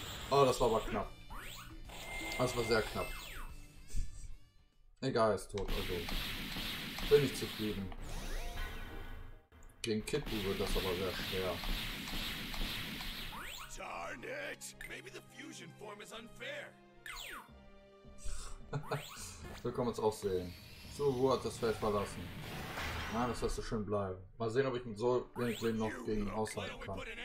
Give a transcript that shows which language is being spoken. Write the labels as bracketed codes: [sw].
[de] Oh, das war aber knapp. Das war sehr knapp. Egal, ist tot, also. Bin ich zufrieden. Gegen Kidbu wird das aber sehr schwer. [en] Darn it! Maybe the fusion form is unfair. [de] Wir können uns auch sehen. So, wo hat das Feld verlassen? Nein, das lässt so schön bleiben. Mal sehen, ob ich mit so wenig Leben noch gegen ihn aushalten kann.